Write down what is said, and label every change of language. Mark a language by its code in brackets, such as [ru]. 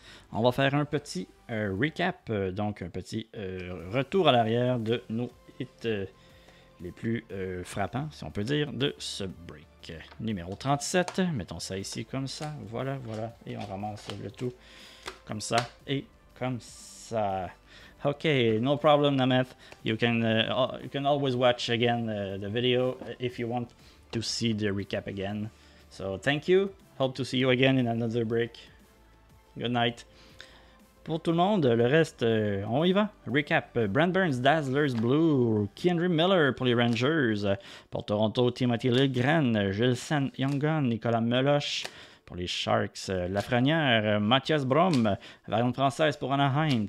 [fr] On va faire un petit recap, donc un petit retour à l'arrière de nos hits les plus frappants, si on peut dire, de ce break. Numéro 37, mettons ça ici comme ça, voilà, et on ramasse le tout comme ça et comme ça. [en] Ok, no problem Nameth, you can always watch again the video if you want to see the recap again. So thank you, hope to see you again in another break. Good night. [fr] Pour tout le monde, le reste, on y va. Recap. Brent Burns, Dazzlers, Blue. Kendry Miller pour les Rangers. Pour Toronto, Timothy Lilgren. Gilson Youngun, Nicolas Meloche pour les Sharks. Lafrenière, Mathias Brom. Variante française pour Anaheim.